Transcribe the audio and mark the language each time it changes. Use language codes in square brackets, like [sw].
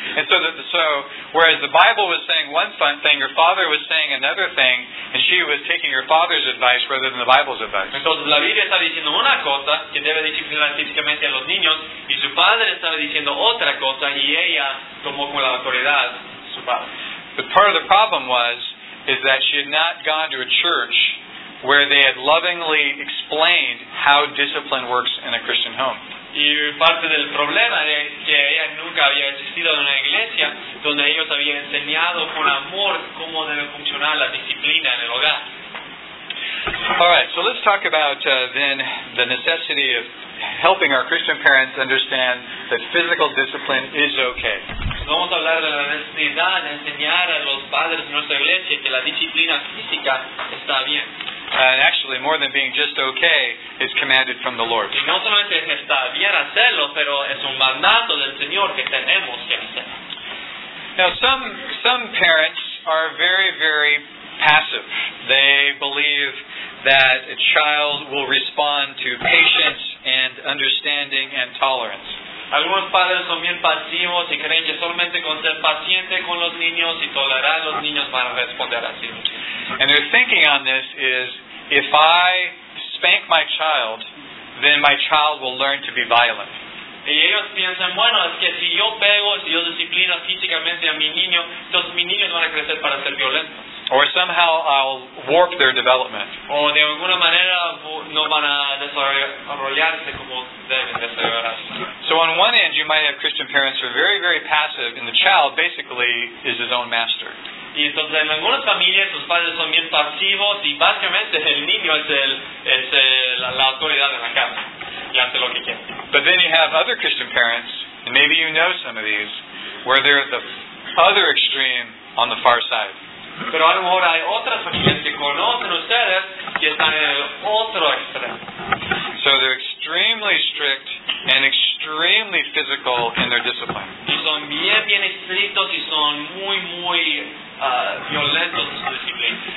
[en] And so whereas the Bible was saying one fun thing, your father was saying another thing, and she was taking your father's advice rather than the Bible's advice. [es] Entonces la Biblia está diciendo una cosa, que debe disciplinar físicamente a los niños, y su padre estaba diciendo otra cosa, y ella tomó como la autoridad su padre. [en] But part of the problem was that she had not gone to a church where they had lovingly explained how discipline works in a Christian home. [es] Y parte del problema de que ella nunca había existido en una iglesia donde ellos habían enseñado con amor cómo debe funcionar la disciplina en el hogar. [en] All right, so let's talk about then the necessity of helping our Christian parents understand that physical discipline is okay. [es] Vamos a hablar de la necesidad de enseñar a los padres de nuestra iglesia que la disciplina física está bien. [en] And actually, more than being just okay, it's commanded from the Lord. [es] Y no solamente está bien hacerlo, pero es un mandato del Señor que tenemos que hacer. [en] Now, some parents are very, very passive. They believe that a child will respond to patience and understanding and tolerance. [es] Algunos padres son bien pasivos y creen que solamente con ser paciente con los niños y tolerar los niños van a responder así. [en] And their thinking on this is, if I spank my child, then my child will learn to be violent. [es] Y ellos piensan, bueno, es que si yo pego, si yo disciplino físicamente a mi niño, entonces mis niños van a crecer para ser violentos. [en] Or somehow I'll warp their development. [es] O de alguna manera no van a desarrollarse como deben desarrollarse. [en] So on one end, you might have Christian parents who are very, very passive, and the child basically is his own master. [es] Y entonces en algunas familias sus padres son bien pasivos y básicamente el niño es la autoridad de la casa y hace lo que quiere. [en] But then you have other Christian parents, and maybe you know some of these, where they're at the other extreme on the far side. [es] Pero a lo mejor hay otras familias que conocen ustedes que están en el otro extremo. [en] So they're extremely strict and extremely physical in their discipline. [es] Y son bien, bien estrictos y son muy, muy violentos en su disciplina.